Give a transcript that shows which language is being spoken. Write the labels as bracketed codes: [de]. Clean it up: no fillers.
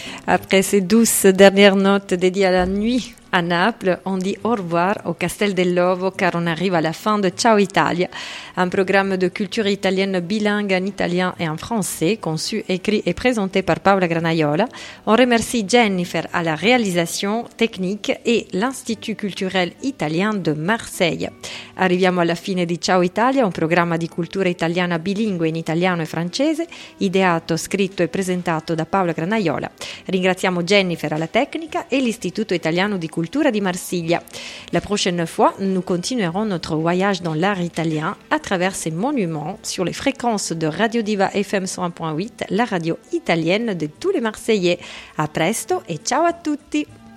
[fr] Après ces douces dernières notes dédiées à la nuit à Naples, on dit au revoir au Castel dell'Ovo car on arrive à la fin de Ciao Italia, un programme de culture italienne bilingue en italien et en français, conçu, écrit et présenté par Paola Granaiola. On remercie Jennifer à la réalisation technique et l'Institut culturel italien de Marseille. [it] Arriviamo alla fine di Ciao Italia, un programma di cultura italiana bilingue in italiano e francese, ideato, scritto e presentato da Paola Granaiola. Ringraziamo Jennifer alla tecnica e l'Istituto Italiano di Cultura di Marsiglia. [fr] La prochaine fois, nous continuerons notre voyage dans l'art italien à travers ses monuments sur les fréquences de Radio Diva FM 101.8, la radio italienne de tous les Marseillais. [it] A presto et ciao à tutti!